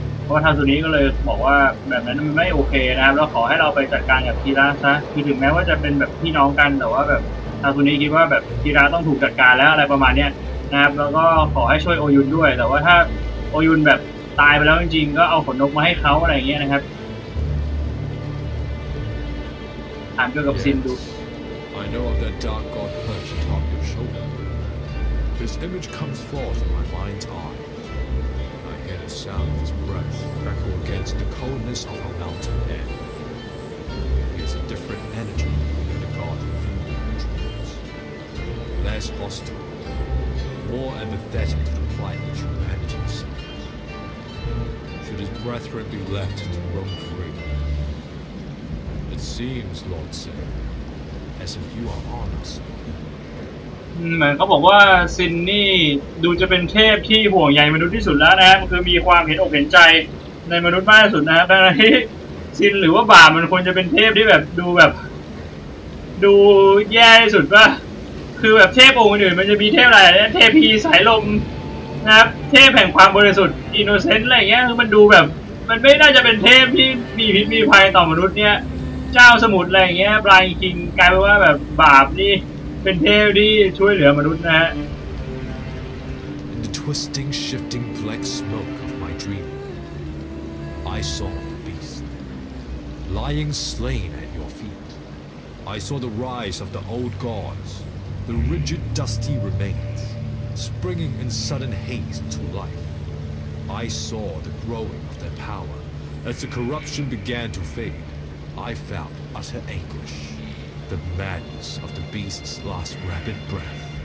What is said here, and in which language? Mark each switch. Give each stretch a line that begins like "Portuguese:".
Thai: เพราะว่าทางตัวนี้ก็เลยบอกว่าแบบนั้นมันไม่โอเคนะครับแล้วขอให้เราไปจัดการกับกีระซะคือถึงแม้ว่าจะเป็นแบบพี่น้องกันแต่ว่าแบบทางตัวนี้คิดว่าแบบกีระต้องถูกจัดการแล้วอะไรประมาณเนี้ยนะครับแล้วก็ขอให้ช่วยโอยุนด้วยแต่ว่าถ้าโอยุนแบบตายไปแล้วจริงๆก็เอาขนนกมาให้เขาอะไรอย่างเงี้ยนะครับถามเกี่ยวกับซินดู
English: I know of that dark god perched atop your shoulder. His image comes forth in my mind's eye. I hear the sound of his breath echo against the coldness of our mountain air. He has a different energy than the god of human dreams. Less hostile, more empathetic to the plight of humanity itself. Should his brethren be left to roam free? It seems, Lord Sekhem, as if you are on us.
Thai: เหมือนเขาบอกว่าซินนี่ดูจะเป็นเทพที่ห่วงใยมนุษย์ที่สุดแล้วนะครับคือมีความเห็นอกเห็นใจในมนุษย์มากที่สุดนะครับดังนั้นซินหรือว่าบาปมันควรจะเป็นเทพที่แบบดูแบบ ดูแย่ที่สุดป่ะคือแบบเทพองค์อื่นมันจะมีเทพอะไรเทพพีสายลมนะครับเทพแห่งความบริสุทธิ์อินโนเซนต์อะไรเงี้ยคือมันดูแบบมันไม่น่าจะเป็นเทพที่มีพิษมีภัยต่อมนุษย์เนี่ยเจ้าสมุทรอะไรเงี้ยบลายคิงกลายเป็นว่าแบบบาปนี่เป็นเทพที่ช่วยเหลือมนุษย์นะฮะ
English: In the twisting shifting black smoke of my dream I saw the beast lying slain at your feet I saw the rise of the old gods the rigid dusty remains springing in sudden haste to life I saw the growing of their power as the corruption began to fade I felt utter anguishThe madness of the beast's last rapid breath.